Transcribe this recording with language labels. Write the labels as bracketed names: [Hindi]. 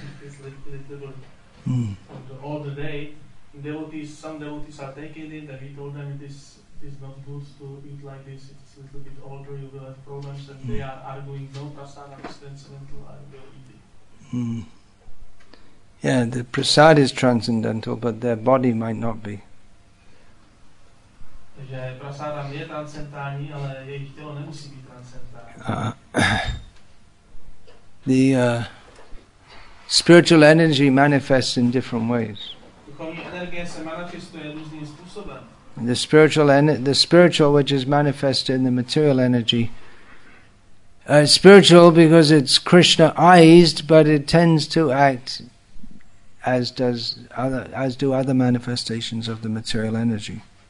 [English] It's little all the day. Some devotees are taking it, and we told them it is not good to eat like this. It's a little bit older, you will have problems, and they are arguing no prasana is transcendental, I will eat it. Yeah, the prasad is transcendental, but their body might not be. [Czech] Že prasáda je transcendentální, ale jejich tělo nemusí být transcendentální. [English] Spiritual energy manifests in different ways. [Czech] Duchovní energie se manifestuje různým způsobem. [English] The spiritual which is manifested in the material energy. Spiritual because it's Krishna-ized, but it tends to act as do other manifestations of the material energy.